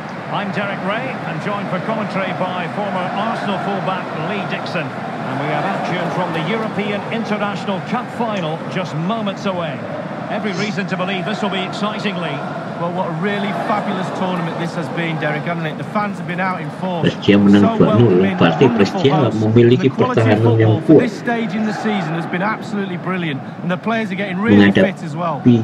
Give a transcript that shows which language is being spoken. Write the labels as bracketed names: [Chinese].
[English] I'm Derek Ray, and joined for commentary by former Arsenal fullback Lee Dixon. And we have action from the European International Cup final just moments away. Every reason to believe this will be exciting, Lee. Well, what a really fabulous tournament this has been, Derek, hasn't it? The fans have been out in force. [Indonesian] Brescia menang 2-0. Pasti Brescia memiliki pertahanan yang kuat. [English] This stage in the season has been absolutely brilliant, and the players are getting really fit as well.